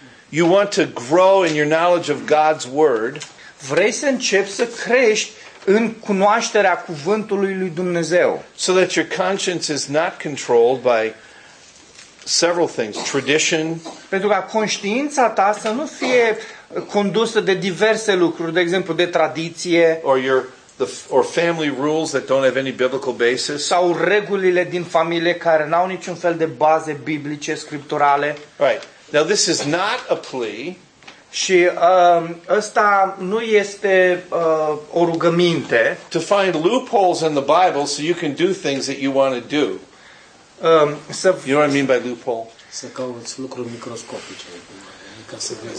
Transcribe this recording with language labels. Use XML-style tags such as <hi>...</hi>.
<en>You want to grow in your knowledge of God's word.</en> <ro>Vrei să începi să crești în cunoașterea cuvântului lui Dumnezeu.</ro> <en>So that your conscience is not controlled by several things, tradition.</en> <ro>Pentru ca conștiința ta să nu fie condusă de diverse lucruri, de exemplu, de tradiție.</ro> <en>Or family rules that don't have any biblical basis.</en> <ro>Sau regulile din familie care n-au niciun fel de baze biblice, scripturale.</ro> <en>Right. Now this is not a plea.</en> <ro>Și ăsta nu este o rugăminte.</ro> <en>To find loopholes in the Bible so you can do things that you want to do. You know what I mean by loophole?</en> <ro>Să cauți lucruri microscopice.</ro>